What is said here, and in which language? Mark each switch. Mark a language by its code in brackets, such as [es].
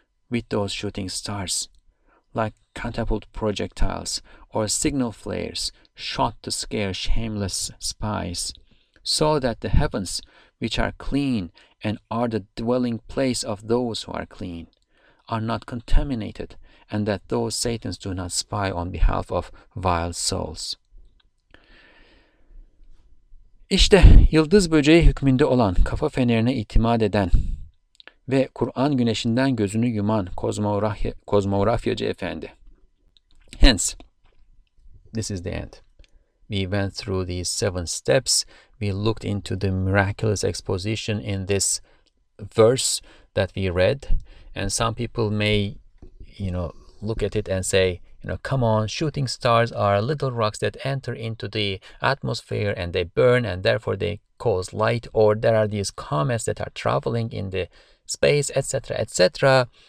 [en] with those shooting stars, like catapult projectiles or signal flares shot to scare shameless spies, so that the heavens, which are clean and are the dwelling place of those who are clean, are not contaminated, and that those satans do not spy on behalf of vile souls. [tr] İşte yıldız böceği hükmünde olan, kafa fenerine itimat eden ve Kur'an güneşinden gözünü yuman kozmografyacı efendi. [en] Hence, this is the end. We went through these seven steps. We looked into the miraculous exposition in this verse that we read. And some people may, you know, look at it and say, you know, come on, shooting stars are little rocks that enter into the atmosphere and they burn and therefore they cause light, or there are these comets that are traveling in the space, etc., etc.